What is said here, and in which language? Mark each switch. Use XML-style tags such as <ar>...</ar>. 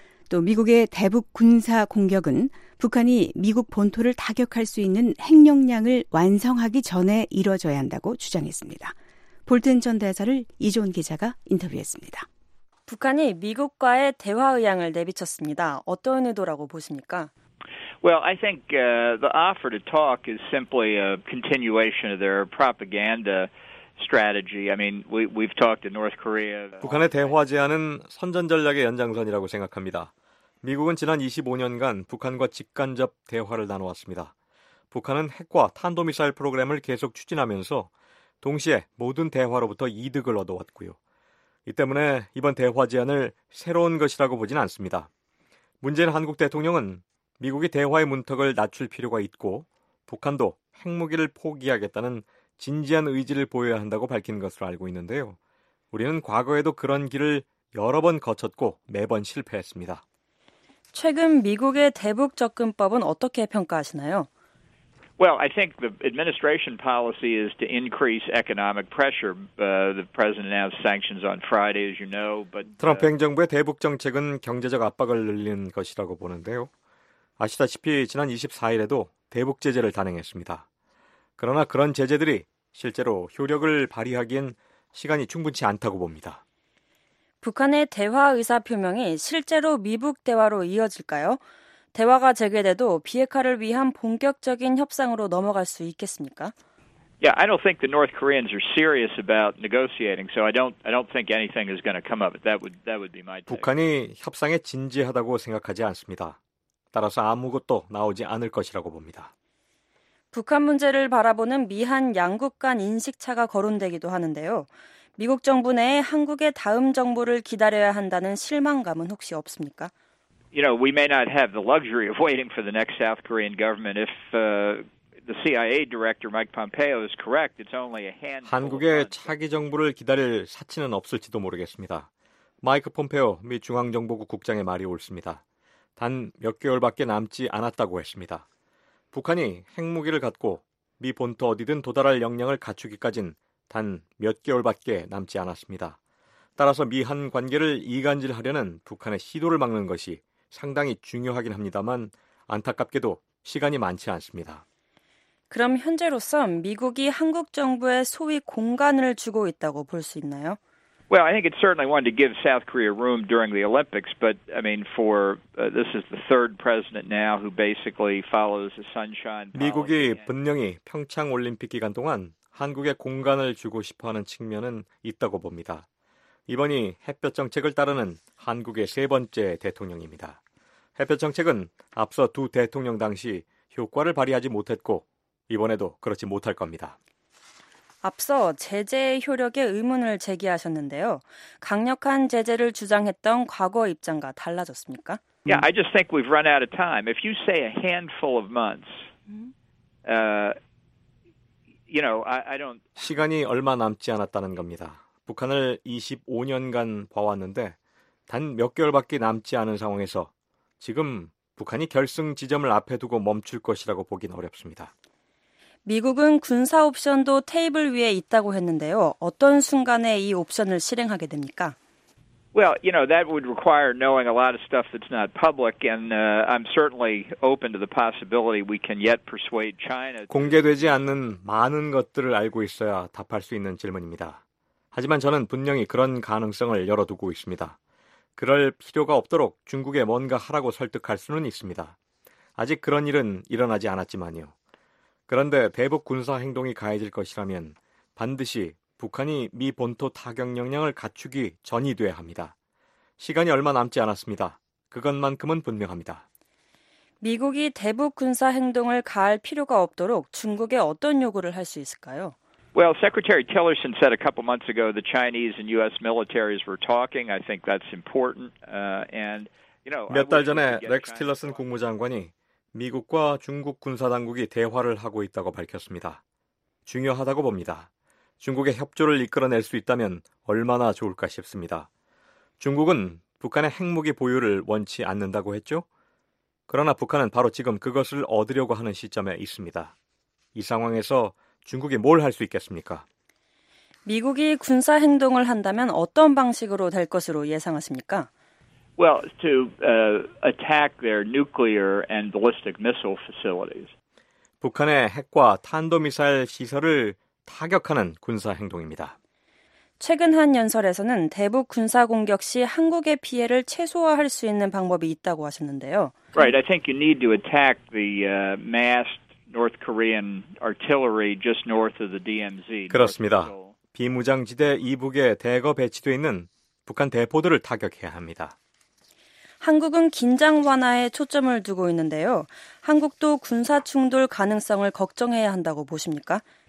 <ko>또 미국의 대북 군사 공격은 북한이 미국 본토를 타격할 수 있는 핵용량을 완성하기 전에 이뤄져야 한다고 주장했습니다. 볼튼 전 대사를 이종훈 기자가 인터뷰했습니다. 북한이 미국과의 대화 의향을 내비쳤습니다. 어떤 의도라고 보십니까?</ko> <en>Well, I think the offer to talk is simply a continuation of their propaganda strategy. I mean, we've talked to North Korea.</en> <ko>북한의 대화 제안은 선전 전략의 연장선이라고 생각합니다. 미국은 지난 25년간 북한과 직간접 대화를 나눠왔습니다. 북한은 핵과 탄도미사일 프로그램을 계속 추진하면서 동시에 모든 대화로부터 이득을 얻어왔고요. 이 때문에 이번 대화 제안을 새로운 것이라고 보진 않습니다. 문재인 한국 대통령은 미국이 대화의 문턱을 낮출 필요가 있고 북한도 핵무기를 포기하겠다는 진지한 의지를 보여야 한다고 밝힌 것으로 알고 있는데요. 우리는 과거에도 그런 길을 여러 번 거쳤고 매번 실패했습니다. 최근 미국의 대북 접근법은 어떻게 평가하시나요?</ko> <en>Well, I think the administration policy is to increase economic pressure. The president announced sanctions on Friday, as you know. But</en> <ko>트럼프 행정부의 대북 정책은 경제적 압박을 늘리는 것이라고 보는데요. 아시다시피 지난 24일에도 대북 제재를 단행했습니다. 그러나 그런 제재들이 실제로 효력을 발휘하기엔 시간이 충분치 않다고 봅니다. 북한의 대화 의사 표명이 실제로 미북 대화로 이어질까요? 대화가 재개돼도 비핵화를 위한 본격적인 협상으로 넘어갈 수 있겠습니까?</ko> <en>Yeah, I don't think the North Koreans are serious about negotiating, so I don't think anything is going to come up. That would be my take.</en> <ko>북한이 협상에 진지하다고 생각하지 않습니다. 따라서 아무것도 나오지 않을 것이라고 봅니다. 북한 문제를 바라보는 미한 양국 간 인식차가 거론되기도 하는데요. 미국 정부 내에 한국의 다음 정부를 기다려야 한다는 실망감은 혹시 없습니까?</ko> <en>You know, we may not have the luxury of waiting for the next South Korean government if the CIA director Mike Pompeo is correct. It's only a handful.</en> <ko>한국의 차기 정부를 기다릴 사치는 없을지도 모르겠습니다. 마이크 폼페오 미 중앙정보국 국장의 말이 옳습니다. 단 몇 개월밖에 남지 않았다고 했습니다. 북한이 핵무기를 갖고 미 본토 어디든 도달할 역량을 갖추기까진 단 몇 개월밖에 남지 않았습니다. 따라서 미한 관계를 이간질하려는 북한의 시도를 막는 것이 상당히 중요하긴 합니다만 안타깝게도 시간이 많지 않습니다. 그럼 현재로서 미국이 한국 정부에 소위 공간을 주고 있다고 볼 수 있나요?</ko> <en>Well, I think it certainly wanted to give South Korea room during the Olympics, but I mean, for this is the third president now who basically follows the sunshine.</en> <ko>미국이 분명히 평창 올림픽 기간 동안 한국에 공간을 주고 싶어하는 측면은 있다고 봅니다. 이번이 햇볕 정책을 따르는 한국의 세 번째 대통령입니다. 햇볕 정책은 앞서 두 대통령 당시 효과를 발휘하지 못했고 이번에도 그렇지 못할 겁니다. 앞서 제재의 효력에 의문을 제기하셨는데요. 강력한 제재를 주장했던 과거 입장과 달라졌습니까?</ko> <en>Yeah, I just think we've run out of time. If you say a handful of months, you know, I don't.</en> <ko>시간이 얼마 남지 않았다는 겁니다. 북한을 25년간 봐왔는데 단 몇 개월밖에 남지 않은 상황에서 지금 북한이 결승 지점을 앞에 두고 멈출 것이라고 보긴 어렵습니다. 미국은 군사 옵션도 테이블 위에 있다고 했는데요. 어떤 순간에 이 옵션을 실행하게 됩니까?</ko> <en>Well, you know, that would require knowing a lot of stuff that's not public and I'm certainly open to the possibility we can yet persuade China.</en> <ko>공개되지 않는 많은 것들을 알고 있어야 답할 수 있는 질문입니다. 하지만 저는 분명히 그런 가능성을 열어두고 있습니다. 그럴 필요가 없도록 중국에 뭔가 하라고 설득할 수는 있습니다. 아직 그런 일은 일어나지 않았지만요. 그런데 대북 군사 행동이 가해질 것이라면 반드시 북한이 미 본토 타격 역량을 갖추기 전이 돼야 합니다. 시간이 얼마 남지 않았습니다. 그것만큼은 분명합니다. 미국이 대북 군사 행동을 가할 필요가 없도록 중국에 어떤 요구를 할 수 있을까요?</ko> <en>Well, Secretary Tillerson said a couple months ago the Chinese and U.S. militaries were talking. I think that's important. And you know,</en> <ko>몇 달 전에 렉스 틸러슨 국무장관이 미국과 중국 군사 당국이 대화를 하고 있다고 밝혔습니다. 중요하다고 봅니다. 중국의 협조를 이끌어낼 수 있다면 얼마나 좋을까 싶습니다. 중국은 북한의 핵무기 보유를 원치 않는다고 했죠? 그러나 북한은 바로 지금 그것을 얻으려고 하는 시점에 있습니다. 이 상황에서 중국이 뭘 할 수 있겠습니까? 미국이 군사 행동을 한다면 어떤 방식으로 될 것으로 예상하십니까?</ko> <en>Well, to attack their nuclear and ballistic missile facilities.</en> <ko>북한의 핵과 탄도미사일 시설을 타격하는 군사 행동입니다. 최근 한 연설에서는 대북 군사 공격 시 한국의 피해를 최소화할 수 있는 방법이 있다고 하셨는데요.</ko> <en>Right, I think you need to attack the massed North Korean artillery just north of the DMZ.</en> <ko>그렇습니다. 비무장지대 이북에 대거 배치되어 있는 북한 대포들을 타격해야 합니다. 한국은 긴장 완화에 초점을 두고 있는데요. 한국도 군사 충돌 가능성을 걱정해야 한다고 보십니까?</ko>